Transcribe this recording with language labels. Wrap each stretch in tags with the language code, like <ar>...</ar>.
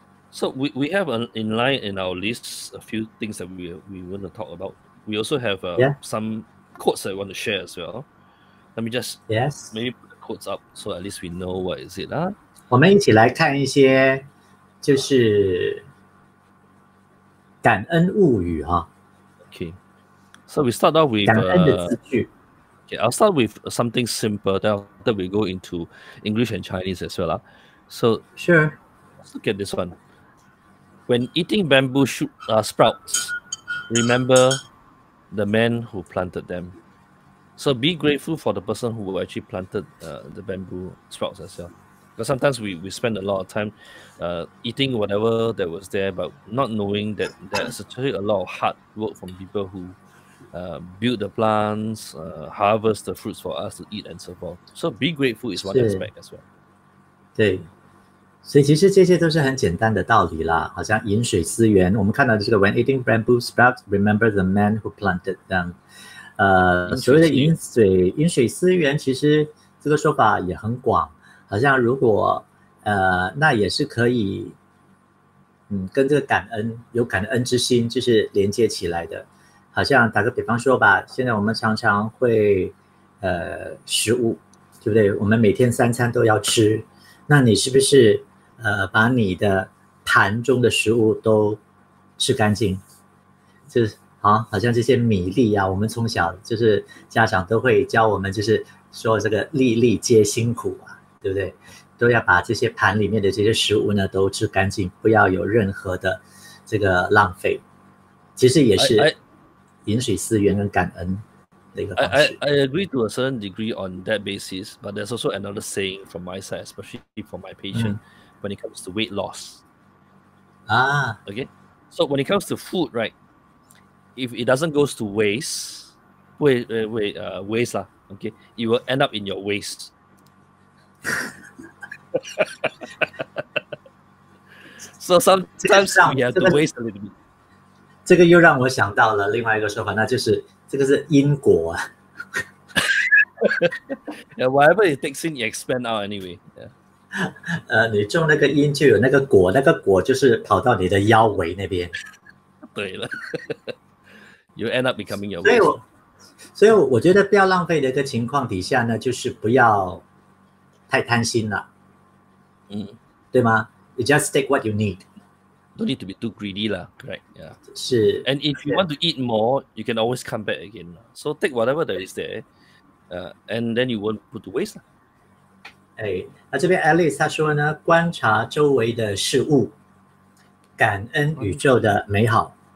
<en>So we have an in line in our list a few things that we want to talk about. We also have some quotes that we want to share as well. Let me just maybe. Quotes up, so at least we know what is it.</en> <zh>我们一起来看一些就是感恩物语啊。</zh> <en>Okay, so we start off with</en> <zh>感恩的字句。</zh> <en>Okay, I'll start with something simple. Then we go into English and Chinese as well. So sure. Look at this one. When eating bamboo sprouts, remember the man who planted them. So be grateful for the person who actually planted the bamboo sprouts as well. Because sometimes we spend a lot of time eating whatever that was there, but not knowing that there's actually a lot of hard work from people who build the plants, harvest the fruits for us to eat and so forth. So be grateful is one aspect as well.</en> <zh>对，所以其实这些都是很简单的道理啦。好像饮水思源，我们看到的这个</zh> <en>when eating bamboo sprouts, remember the man who planted them.</en> <zh>所谓的饮水思源，其实这个说法也很广，好像如果那也是可以跟这个感恩有感恩之心就是连接起来的。好像打个比方说吧，现在我们常常会食物，对不对？我们每天三餐都要吃，那你是不是把你的盘中的食物都吃干净？就是好像这些米粒啊，我们从小就是家长都会教我们，就是说这个粒粒皆辛苦啊，对不对？都要把这些盘里面的这些食物呢都吃干净，不要有任何的这个浪费。其实也是饮水思源跟感恩的一个方式。</zh> <en>I agree to a certain degree on that basis, but there's also another saying from my side, especially for my patient, when it comes to weight loss. Okay, so when it comes to food, right? If it doesn't go to waste, waste, okay, you will end up in your waist. So sometimes we have to waste a little bit.</en> <zh>这个又让我想到了另外一个说法，那就是这个是因果啊。</zh> <en>Yeah, whatever it takes in, you expand out anyway. Yeah.</en> <zh>你种那个因就有那个果，那个果就是跑到你的腰围那边。对了。</zh> <en>You end up becoming your.</en> <zh>所以我觉得不要浪费的一个情况底下呢，就是不要太贪心了，对吗 ？</zh> <en>You just take what you need. Don't need to be too greedy, lah. Correct. Yeah.</en> <zh>是</zh> <en>And if you want to eat more, you can always come back again. So take whatever that is there, and then you won't put to waste, lah.</en> <zh>那这边 Alice 她说呢，观察周围的事物，感恩宇宙的美好。</zh>